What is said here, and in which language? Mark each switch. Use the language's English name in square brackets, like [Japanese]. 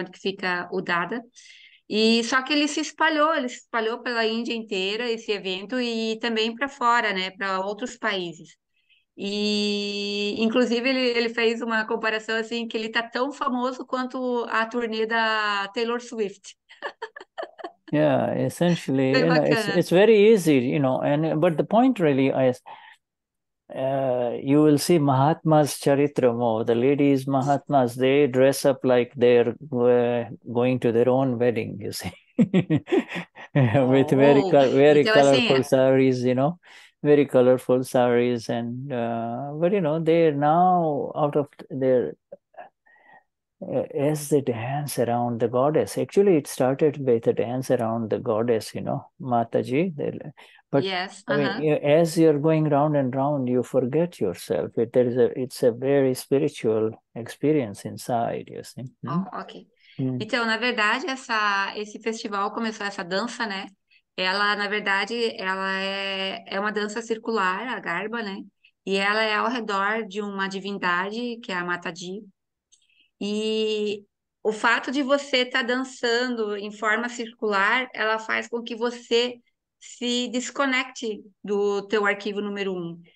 [Portuguese] Onde fica o Dada. E só que ele se espalhou pela Índia inteira, esse evento, e também para fora, né, para outros países. E, inclusive, ele fez uma comparação, assim, que ele está tão famoso quanto a turnê da Taylor Swift. [English] Yeah, essentially, you know, it's very easy, you know, but the point really is, you will see Mahatmas Charitram, the ladies Mahatmas, they dress up like they're going to their own wedding, you see, with very, very colorful saris, you know, very colorful saris. And, but, you know, they're now out of their, as they dance around the goddess. Actually, it started with a dance around the goddess, you know, Mataji. But yes, I mean, as you're going round and round, you forget yourself. It's a very spiritual experience inside, you see. Oh, ok. [Portuguese] Então, na verdade, esse festival começou, essa dança, né? Ela, na verdade, ela é uma dança circular, a garba, né? E ela é ao redor de uma divindade, que é a Mataji. E o fato de você estar dançando em forma circular, ela faz com que você se desconecte do teu arquivo número um.